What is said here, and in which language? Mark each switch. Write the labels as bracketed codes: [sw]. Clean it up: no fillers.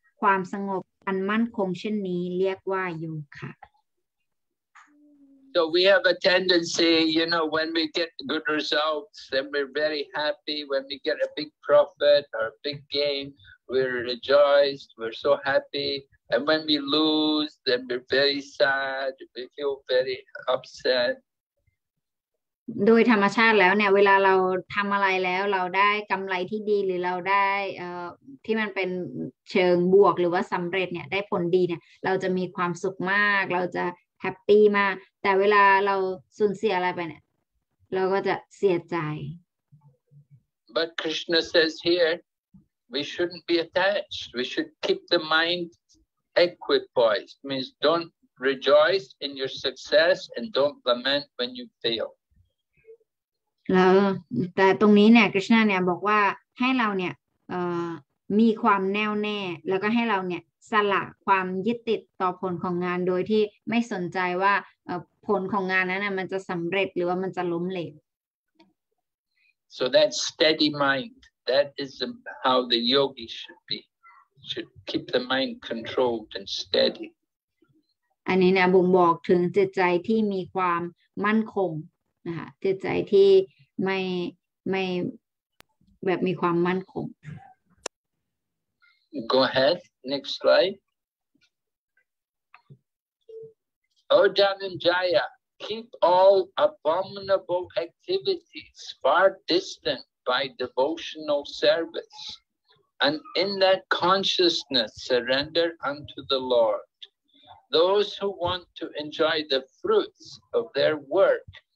[th] ความสงบอันมั่นคงเช่นนี้เรียกว่าโยคะ [en] So we have a tendency, you know, when we get good results, then we're very happy. When we get a big profit or a big gain, we're rejoiced, we're so happy. And when we lose, then we're very sad, we feel very upset. [th] โดยธรรมชาติแล้วเนี่ยเวลาเราทำอะไรแล้วเราได้กำไรที่ดีหรือเราได้ที่มันเป็นเชิงบวกหรือว่าสำเร็จเนี่ยได้ผลดีเนี่ยเราจะมีความสุขมากเราจะแฮปปี้มากแต่เวลาเราสูญเสียอะไรไปเนี่ยเราก็จะเสียใจ [en] But Krishna says here we shouldn't be attached we should keep the mind equipoised means don't rejoice in your success and don't lament when you fail [th] แล้วแต่ตรงนี้เนี่ยคริชนาเนี่ยบอกว่าให้เราเนี่ยมีความแน่วแน่แล้วก็ให้เราเนี่ยสละความยึดติดต่อผลของงานโดยที่ไม่สนใจว่าผลของงานนั้นน่ะมันจะสำเร็จหรือว่ามันจะล้มเหลว [en] So that steady mind that is how the yogi should be should keep the mind controlled and steady [th] อันนี้เนี่ยบ่งบอกถึงจิตใจที่มีความมั่นคงนะคะจิตใจที่ไม่แบบมีความมั่นคง [en] Go ahead next slide Oh Dhananjaya keep all abominable activities far distant by devotional service and in that consciousness surrender unto the Lord those who want to enjoy the fruits of their work